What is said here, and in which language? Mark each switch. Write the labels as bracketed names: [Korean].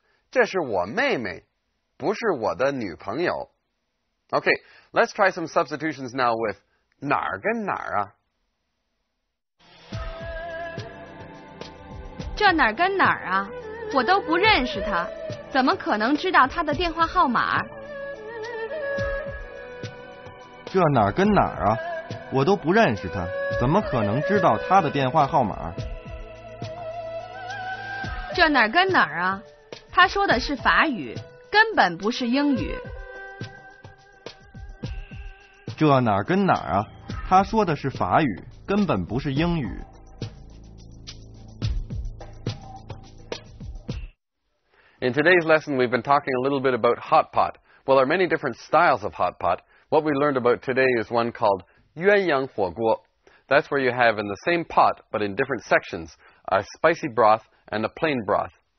[Chinese] 这是我妹妹，不是我的女朋友。 [English] Okay, let's try some substitutions now with [Chinese] 哪儿跟哪儿啊？这哪儿跟哪儿啊？我都不认识她，怎么可能知道她的电话号码？这哪儿跟哪儿啊？我都不认识他，怎么可能知道他的电话号码？这哪儿跟哪儿啊？他说的是法语，根本不是英语。这哪儿跟哪儿啊？他说的是法语，根本不是英语。 [English] In today's lesson, we've been talking a little bit about hot pot. Well, there are many different styles of hot pot. What we learned about today is one called 鸳鸯火锅. That's where you have in the same pot, but in different sections, a spicy broth and a plain broth.